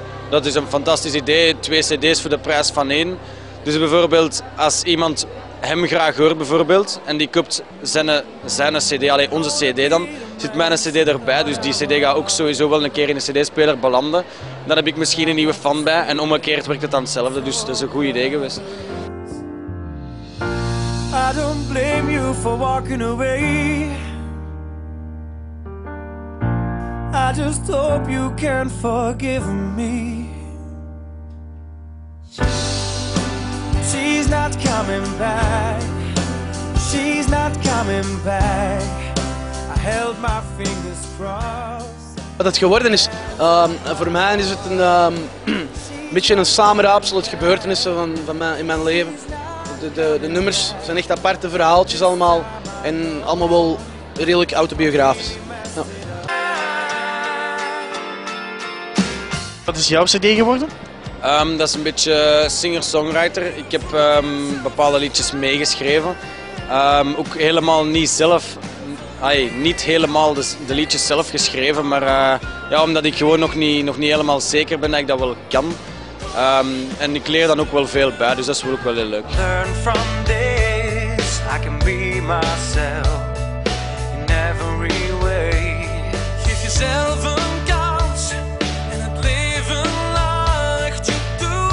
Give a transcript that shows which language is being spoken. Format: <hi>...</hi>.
<nl>Dat is een fantastisch idee, twee cd's voor de prijs van één. Dus bijvoorbeeld, als iemand hem graag hoort bijvoorbeeld, en die koopt zijn cd, alleen onze cd dan, zit mijn cd erbij, dus die cd gaat ook sowieso wel een keer in de cd-speler belanden. Dan heb ik misschien een nieuwe fan bij en omgekeerd werkt het dan hetzelfde, dus dat is een goed idee geweest.</nl> <en>I don't blame you for walking away. I just hope you can forgive me. She's not coming back. She's not coming back. I held my fingers crossed.</en> <nl>Wat het geworden is, voor mij is het een beetje een samenraapsel, het gebeurtenissen in mijn leven. De nummers zijn echt aparte verhaaltjes allemaal en allemaal wel redelijk autobiografisch. Ja. Wat is jouw cd geworden? Dat is een beetje singer-songwriter. Ik heb bepaalde liedjes meegeschreven. Ook helemaal niet zelf, niet helemaal de liedjes zelf geschreven, maar omdat ik gewoon nog niet helemaal zeker ben dat ik dat wel kan. En ik leer dan ook wel veel bij, dus dat is ook wel heel leuk.</nl> <en>Learn from this, I can be myself in every way. Give yourself a chance</en> <nl>in het leven lacht je toe.</nl>